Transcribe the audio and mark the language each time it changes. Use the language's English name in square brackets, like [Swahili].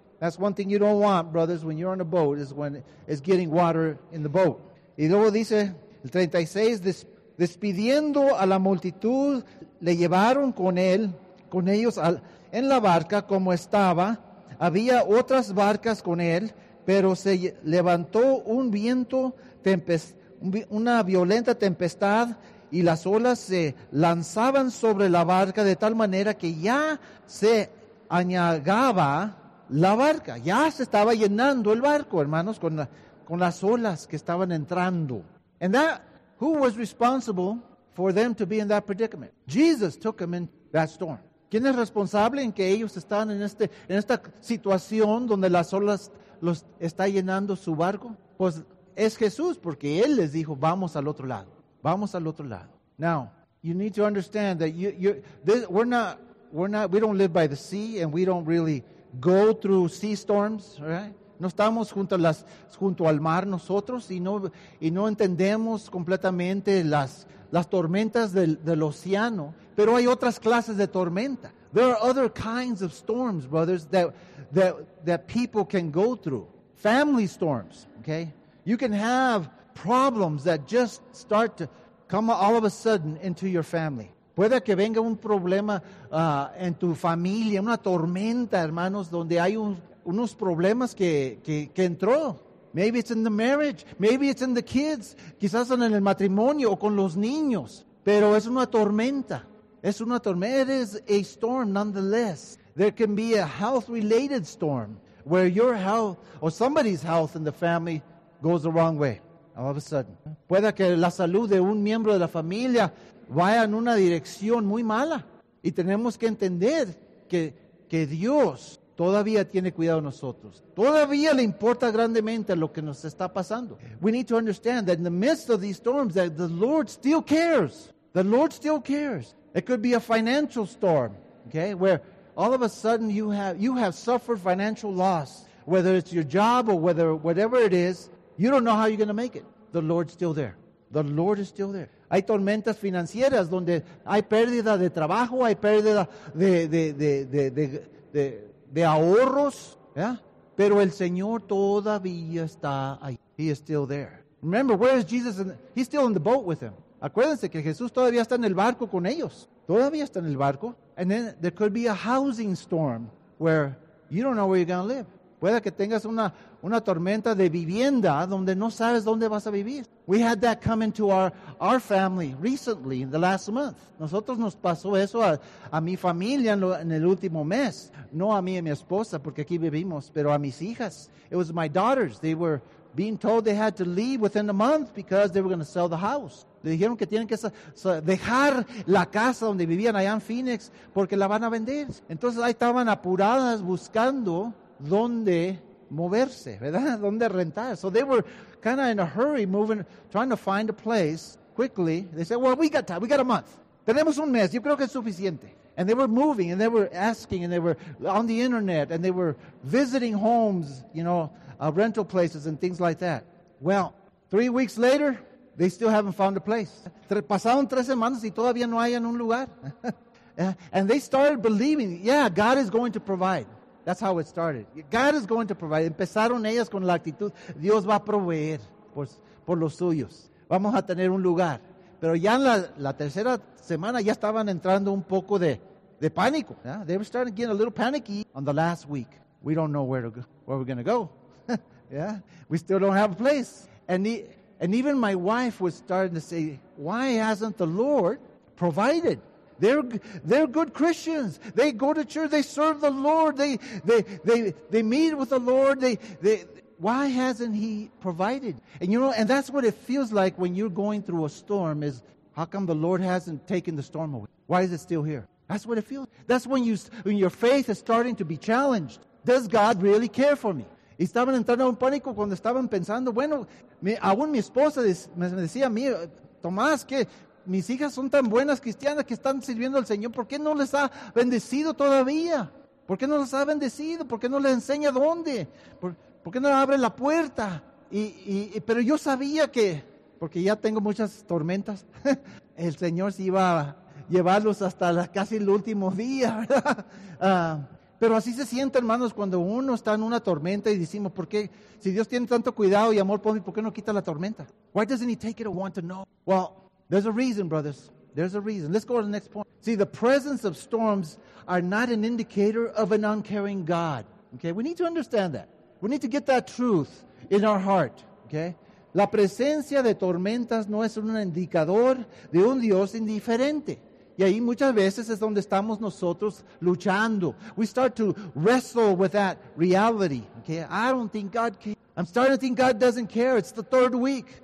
[English] That's one thing you don't want, brothers, when you're on a boat, is when it's getting water in the boat. [Spanish] Y luego dice, el 36, despidiendo a la multitud, le llevaron con él, con ellos, al, en la barca como estaba. Había otras barcas con él, pero se levantó un viento, una violenta tempestad, y las olas se lanzaban sobre la barca de tal manera que ya se añagaba la barca. Ya se estaba llenando el barco, hermanos, con las olas que estaban entrando. [English] And that, who was responsible for them to be in that predicament? Jesus took them in that storm. [Spanish] ¿Quién es responsable en que ellos están en este en esta situación donde las olas los está llenando su barco? Pues es Jesús, porque él les dijo, vamos al otro lado. Vamos al otro lado. [English] Now, you need to understand that we don't live by the sea and we don't really go through sea storms, right? [Spanish] No estamos junto al mar nosotros y no entendemos completamente las tormentas del océano, pero hay otras clases de tormenta. [English] There are other kinds of storms, brothers, that people can go through. Family storms, okay? You can have problems that just start to come all of a sudden into your family. [Spanish] Puede que venga un problema en tu familia, una tormenta, hermanos, donde hay unos problemas que entró. [English] Maybe it's in the marriage. Maybe it's in the kids. [Spanish] Quizás en el matrimonio o con los niños. Pero es una tormenta. Es una tormenta. [English] It is a storm nonetheless. There can be a health-related storm where your health or somebody's health in the family goes the wrong way. All of a sudden. [Spanish] Puede que la salud de un miembro de la familia vaya en una dirección muy mala. Y tenemos que entender que Dios todavía tiene cuidado de nosotros. Todavía le importa grandemente lo que nos está pasando. [English] We need to understand that in the midst of these storms, that the Lord still cares. The Lord still cares. It could be a financial storm, okay, where all of a sudden you have suffered financial loss, whether it's your job or whatever it is. You don't know how you're going to make it. The Lord's still there. The Lord is still there. [Spanish] Hay tormentas financieras donde hay pérdida de trabajo, hay pérdida de ahorros, yeah? Pero el Señor todavía está ahí. [English] He is still there. Remember, where is Jesus? He's still in the boat with them. [Spanish] Acuérdense que Jesús todavía está en el barco con ellos. Todavía está en el barco. [English] And then there could be a housing storm where you don't know where you're going to live. [Spanish] Puede que tengas una tormenta de vivienda donde no sabes dónde vas a vivir. [English] We had that come into our family recently in the last month. [Spanish] Nosotros nos pasó eso a mi familia en el último mes. No a mí y a mi esposa, porque aquí vivimos, pero a mis hijas. [English] It was my daughters. They were being told they had to leave within a month because they were going to sell the house. [Spanish] Le dijeron que tienen que dejar la casa donde vivían allá en Phoenix porque la van a vender. Entonces ahí estaban apuradas buscando dónde moverse, ¿verdad? Dónde rentar. [English] So they were kind of in a hurry moving, trying to find a place quickly. They said, well, we got time. We got a month. [Spanish] Tenemos un mes. Yo creo que es suficiente. [English] And they were moving and they were asking and they were on the internet and they were visiting homes, you know, rental places and things like that. Well, 3 weeks later, they still haven't found a place. [Spanish] Pasaron tres semanas y todavía no hayan un lugar. [English] And they started believing, yeah, God is going to provide. That's how it started. God is going to provide. [Spanish] Empezaron ellas con la actitud, Dios va a proveer por los suyos. Vamos a tener un lugar. Pero ya en la tercera semana ya estaban entrando un poco de pánico. [English] Yeah? They were starting to get a little panicky. On the last week, we don't know where we're going to go. Yeah, we still don't have a place. And even my wife was starting to say, why hasn't the Lord provided? They're good Christians. They go to church. They serve the Lord. They meet with the Lord. Why hasn't He provided? And you know, and that's what it feels like when you're going through a storm. Is how come the Lord hasn't taken the storm away? Why is it still here? That's what it feels. That's when your faith is starting to be challenged. Does God really care for me? [Spanish] Estaban entrando en pánico cuando estaban pensando. Bueno, aún mi esposa me decía a mí, Tomás, que mis hijas son tan buenas cristianas que están sirviendo al Señor. ¿Por qué no les ha bendecido todavía? ¿Por qué no les ha bendecido? ¿Por qué no les enseña dónde? ¿Por qué no abre la puerta? Pero yo sabía que, porque ya tengo muchas tormentas, el Señor se iba a llevarlos hasta casi el último día, ¿verdad? Pero así se siente, hermanos, cuando uno está en una tormenta y decimos, ¿por qué? Si Dios tiene tanto cuidado y amor por mí, ¿por qué no quita la tormenta? [English] Why doesn't he take it or want to know? Well, there's a reason, brothers. There's a reason. Let's go to the next point. See, the presence of storms are not an indicator of an uncaring God. Okay, we need to understand that. We need to get that truth in our heart. Okay, [Spanish] la presencia de tormentas no es un indicador de un Dios indiferente. Y ahí muchas veces es donde estamos nosotros luchando. [English] We start to wrestle with that reality. Okay, I don't think God cares. I'm starting to think God doesn't care. It's the third week.